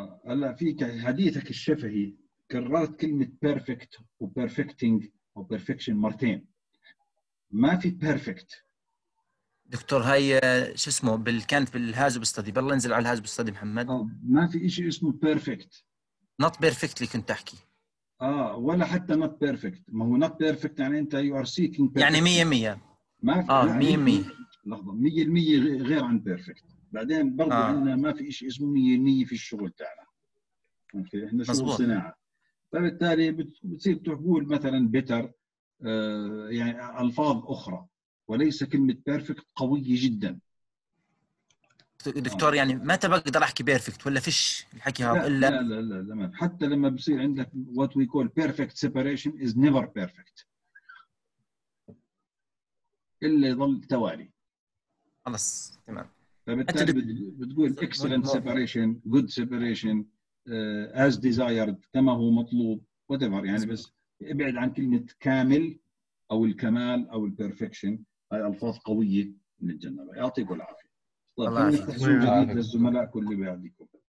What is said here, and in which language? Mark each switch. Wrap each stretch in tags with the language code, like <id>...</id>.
<ar>هلا في حديثك الشفهي كررت كلمة بيرفكت وبيرفكتينج وبيرفكشن مرتين. ما في بيرفكت. دكتور هاي شو اسمه كانت بالهازب ستدي، بالله انزل على الهازب ستدي محمد. ما في شيء اسمه بيرفكت.</ar> <en>Not perfect</en> <ar>اللي كنت تحكي. ولا حتى</ar> <en>not perfect.</en> <ar>ما هو</ar> <en>not perfect</en> <ar>يعني انت</ar> <en>you are seeking</en> <ar>perfect. يعني 100%. ما في 100%. لحظة 100% غير عن perfect. بعدين برضو عندنا ما في اشي اسمه 100% في الشغل تاعنا. احنا شغل صناعة. فبالتالي بتصير تقول مثلا better يعني الفاظ اخرى. وليس كلمة perfect قوية جدا. دكتور يعني متى بقدر احكي بيرفكت ولا فيش الحكي هذا الا لا لا لا لا حتى لما بصير عندك</ar> <en>what we call perfect separation is never perfect</en> <ar>الا يضل توالي. خلص تمام. فبالتالي بتقول</ar> <en>excellent separation, good separation, as desired,</en> <ar>كما هو مطلوب,</ar> <en>whatever</en> <ar>يعني. بس ابعد عن كلمة كامل او الكمال او البيرفكشن. هاي الفاظ قوية نتجنبها. يعطيكم العافية. طيب نفتح زوم جديد للزملاء كل بعديكم.</ar>